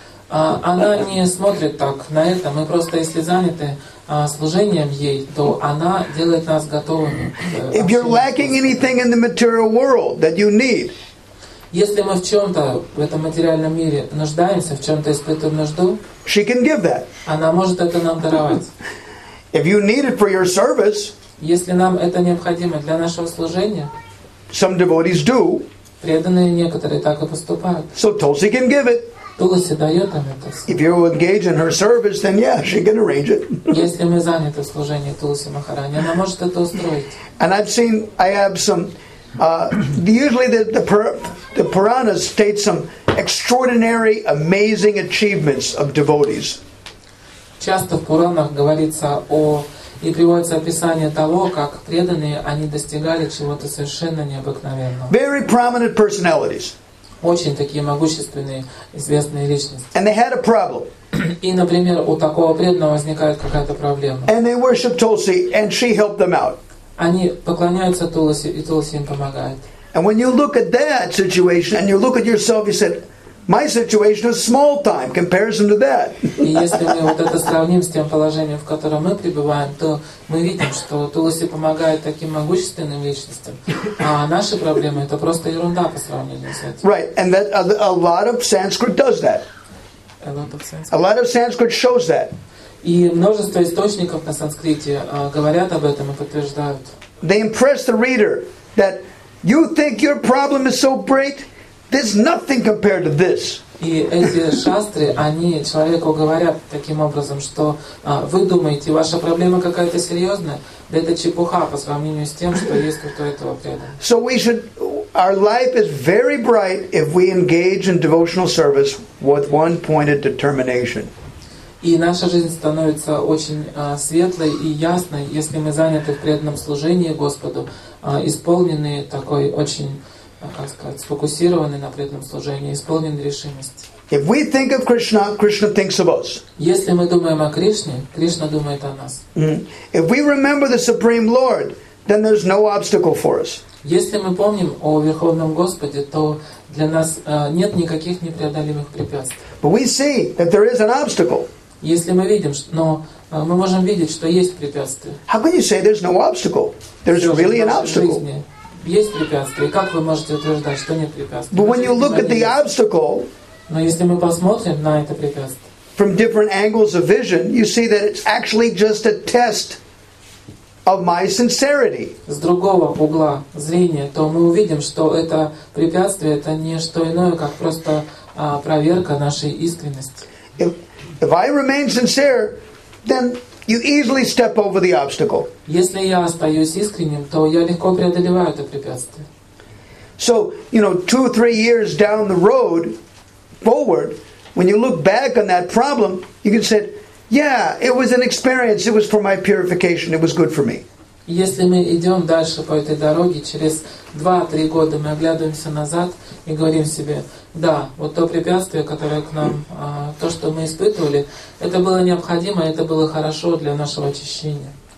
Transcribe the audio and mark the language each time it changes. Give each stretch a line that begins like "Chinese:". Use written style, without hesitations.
Russian: Она не смотрит так на это. Мы просто, если заняты служением ей, то она делает нас готовыми.
English: If you're lacking anything in the material world that you need.
Russian: Если мы в чем-то в этом материальном мире нуждаемся, в чем-то испытываем нужду,
English: she can give that.
Russian: Она может это нам даровать.
English: If you need it for your service,
Russian: если нам это необходимо для нашего служения,
English: some devotees do.
Russian: Преданные некоторые так и поступают.
English: So Tulsi can give it.
Russian: Tulsi дает нам это.
English: If you engage in her service, then yeah, she can arrange it.
Russian: Если мы заняты в служении Тулси Махарани, она может это устроить.
English: And I've seen, I have some. Usually the Puranas state some extraordinary, amazing achievements of devotees.
Russian: Часто в Пуранах говорится о и приводится описание того, как преданные они достигали чего-то совершенно необыкновенного.
English: Very prominent personalities.
Russian: Очень такие могущественные известные личности.
English: And they had a problem.
Russian: И, например, у такого преданного возникает какая-то проблема.
English: And they worship Tulsi, and she helped them out.
Russian: Они поклоняются Тулси, и Тулси им помогает.
English: And when you look at that situation, and you look at yourself, you said, my situation is small time comparison to that.
Russian: И если мы вот это сравним с тем положением, в котором мы пребываем, то мы видим, что Тулси помогает таким могущественным личностям, а наши проблемы — это просто ерунда по сравнению с этим.
English: Right, and that a lot of Sanskrit does that. A lot of Sanskrit shows that.
Russian: И множество источников на санскрите говорят об этом и подтверждают.
English: They impress the reader that you think your problem is so great, there's nothing compared to this.
Russian: И эти шастры, они человеку говорят таким образом, что вы думаете, ваша проблема какая-то серьезная, да это чепуха по сравнению с тем, что есть кто-то этого преданного.
English: So we should, our life is very bright if we engage in devotional service with one-pointed determination.
Russian: И наша жизнь становится очень светлой и ясной, если мы заняты в преданном служении Господу, исполнены такой очень, как сказать, сфокусированы на преданном служении, исполнены решимости.
English: If we think of Krishna, Krishna thinks of us.
Russian: Если мы думаем о Кришне, Кришна думает о нас. Mm-hmm.
English: If we remember the Supreme Lord, then there's no obstacle for us.
Russian: Если мы помним о Верховном Господе, то для нас нет никаких непреодолимых препятствий.
English: But we see that there is an obstacle.
Russian: Если мы видим, но мы можем видеть, что есть препятствия.
English: How can you say there's no obstacle? There's really an obstacle.
Russian: Есть препятствия. Как вы можете утверждать, что нет препятствий?
English: But when you look at the obstacle,
Russian: но если мы посмотрим на это препятствие,
English: from different angles of vision, you see that it's actually just a test of my sincerity.
Russian: С другого угла зрения, то мы увидим, что это препятствие, это не что иное, как просто проверка нашей искренности.
English: If I remain sincere, then you easily step over the obstacle.
Russian: Если я остаюсь искренним, то я легко преодолеваю это препятствие.
English: So, you know, 2-3 years down the road, forward, when you look back on that problem, you can say, yeah, it was an experience. It was for my purification. It was good for me.
Russian: Если мы идем дальше по этой дороге, через 2-3 года мы оглядываемся назад и говорим себе, да, вот то препятствие, которое к нам, то, что мы испытывали, это было необходимо, это было хорошо для нашего очищения.